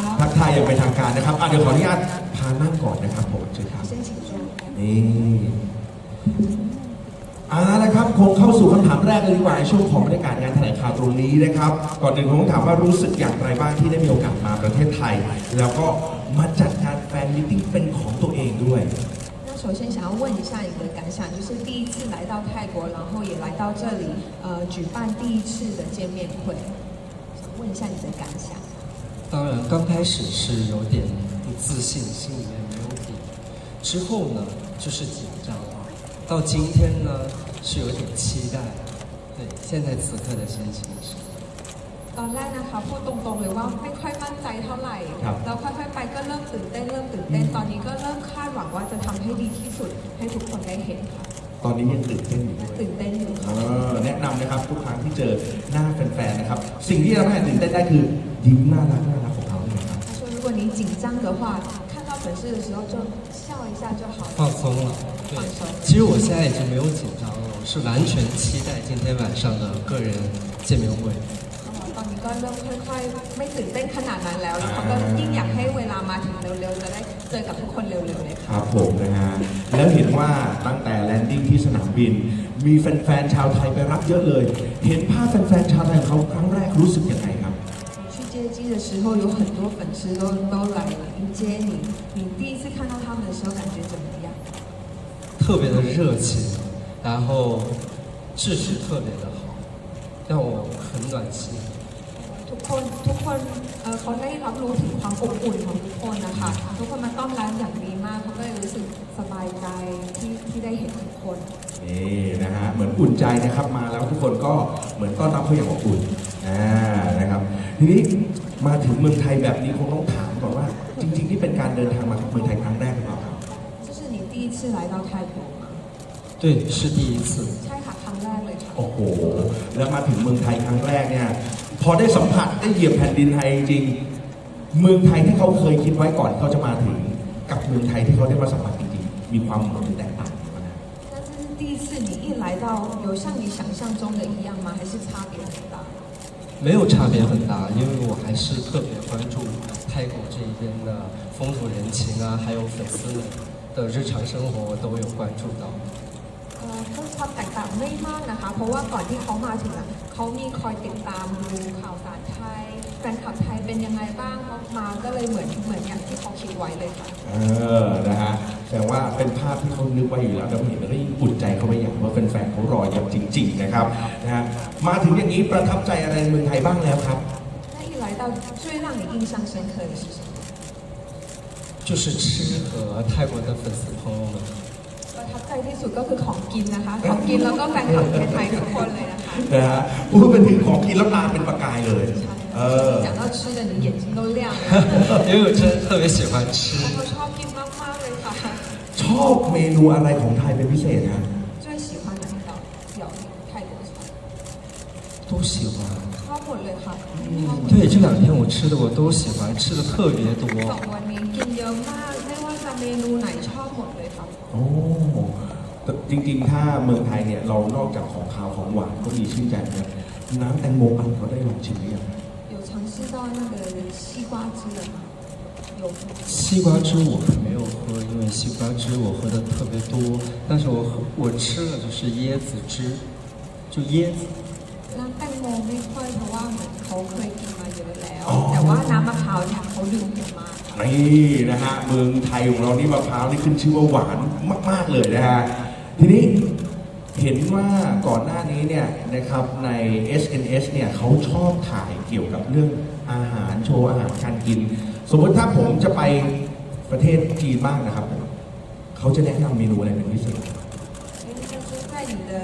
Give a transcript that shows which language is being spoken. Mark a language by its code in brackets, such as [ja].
[th] ทักทายอย่างเป็นทางการนะครับเดี๋ยวขออนุญาตพานั่งก่อนนะครับผมเชิญครับนี่นะครับคงเข้าสู่คำถามแรกเลยดีกว่าในช่วงของบรรยากาศงานแถลงข่าวตรงนี้นะครับก่อนอื่นผมต้องถามว่ารู้สึกอย่างไรบ้างที่ได้มีโอกาสมาประเทศไทยแล้วก็มาจัดงานแฟนมีตติ้งเป็นของตัวเองด้วย [zh] 首先想要问一下你的感想，就是第一次来到泰国，然后也来到这里，举办第一次的见面会，想问一下你的感想。当然，刚开始是有点不自信，心里面没有底。之后呢，就是紧张了。到今天呢，是有点期待。对，现在此刻的心情是。 [th] ตอนแรกนะคะพูดตรงๆเลยว่าไม่ค่อยมั่นใจเท่าไหร่แล้วค่อยๆไปก็เริ่มตื่นเต้นเริ่มตื่นเต้นตอนนี้ก็เริ่มคาดหวังว่าจะทำให้ดีที่สุดให้ทุกคนได้เห็นค่ะ ตอนนี้ยังตื่นเต้นอยู่ไหม ตื่นเต้นอยู่ค่ะแนะนำนะครับทุกครั้งที่เจอหน้าแฟนๆนะครับสิ่งที่ทำให้ตื่นเต้นได้คือยิ้มน่ารักน่ารักของเขา เลยครับถ้าช่วงนี้ [zh] 紧张的话看到粉丝的时候就笑一下就好放松了放松其实我现在已经没有紧张了是完全期待今天晚上的个人见面会 [th] ก็เริ่มค่อยๆไม่ตื่นเต้นขนาดนั้นแล้วแล้วเขาก็ยิ่งอยากให้เวลามาถึงเร็วๆจะได้เจอกับทุกคนเร็วๆเลย ครับผมนะฮะแล้วเห็นว่าตั้งแต่แลนดิ้งที่สนามบินมีแฟนๆชาวไทยไปรับเยอะเลยเห็นภาพแฟนๆชาวไทยเขาครั้งแรกรู้สึกยังไงครับ [zh] 去接机的时候有很多粉丝都来迎接你你第一次看到他们的时候感觉怎么样特别的热情然后秩序特别的好让我很暖心 [th] ทุกคนเขาได้รับรู้ถึงความอบอุ่นของทุกคนนะคะทุกคนมาต้อนรับอย่างดีมากเขาก็เลยรู้สึกสบายใจที่ได้เห็นทุกคน นี่นะฮะเหมือนอุ่นใจนะครับมาแล้วทุกคนก็เหมือนต้อนรับเขาอย่างอบอุ่นนะครับทีนี้มาถึงเมืองไทยแบบนี้คงต้องถามก่อนว่าจริงๆที่เป็นการเดินทางมาเมืองไทยครั้งแรกหรือเปล่า [zh] ครับ这是你第一次来到泰国吗对是第一次 [th] ใช่ค่ะครั้งแรกเลย โอ้โหแล้วมาถึงเมืองไทยครั้งแรกเนี่ยพอได้สัมผัสได้เหยียบแผ่นดินไทยจริงเมืองไทยที่เขาเคยคิดไว้ก่อนเขาจะมาถึงกับเมืองไทยที่เขาได้มาสัมผัสจริงๆมีความเหมือนแตกต่างกันนะ [zh] 那这是第一次你一来到有像你想象中的一样吗还是差别很大没有差别很大因为我还是特别关注泰国这边的风土人情啊还有粉丝们的日常生活都有关注到 [th] ก็ความแตกต่างไม่มากนะคะเพราะว่าก่อนที่เขามาถึงเขามีคอยติดตามดูข่าวสารไทยแฟนคลับไทยเป็นยังไงบ้างเขามาก็เลยเหมือนอย่างที่เขาคิดไว้เลยค่ะ นะฮะแต่ว่าเป็นภาพที่เขานึกไว้อยู่แล้วแล้วเห็นแล้วยิ่งอุ่นใจเขาไปอย่างว่าแฟนๆเขารออย่างจริงๆนะครับนะมาถึงอย่างนี้ประทับใจอะไรเมืองไทยบ้างแล้วครับ ได้ยินหลายดาว [zh] 最让你印象深刻的是什么就是吃和泰国的粉丝朋友们 [th] ประทับใจที่สุดก็คือของกินนะคะของกินแล้วก็แฟนคลับไทยทุกคนเลยนะคะ นะพูดเป็นถึงของกินแล้วตาเป็นประกายเลย เออจะต้องชื่อเ ลย จ มูก ก็เลี้ยงเออฉันชอบกิน ชอบกินมากๆเลยค่ะ ชอบเมนูอะไรของไทยเป็นพิเศษฮะ [zh] 最喜欢哪一道料理泰国菜都喜欢 [th] ทั้งหมดเลยค่ะ [zh] 对这两天我吃的我都喜欢吃的特别多 [th] สองวัน นี้กินเยอะมากไม่ว่าจะเมนูไหนชอบหมดเลยค่ะ โอ้จริงๆถ้าเมืองไทยเนี่ยเรานอกจากของคาวของหวานก็มีชื่นใจนะน้ำแตงโมอันเขาได้ลองชิมหรือยัง [zh] 有尝试到那个西瓜汁的吗有西瓜汁我还没有喝因为西瓜汁我喝的特别多但是我吃了就是椰子汁就椰子 [th] 那แตงโมไม่ค่อยเพราะว่าเขาเคยกินมาเยอะแล้ว oh. แต่ว่าน้ำมะพร้าวเนี่ยเขาดื่มมานี่นะฮะเมืองไทยของเรานี่มะพร้าวนี่ขึ้นชื่อว่าหวานมากๆเลยนะฮะทีนี้เห็นว่าก่อนหน้านี้เนี่ยนะครับใน SNS เนี่ยเขาชอบถ่ายเกี่ยวกับเรื่องอาหารโชว์อาหารการกินสมมติถ้าผมจะไปประเทศจีนบ้างนะครับเขาจะแนะนำเมนูอะไรเป็นพิเศษในโซเชียลมีเดีย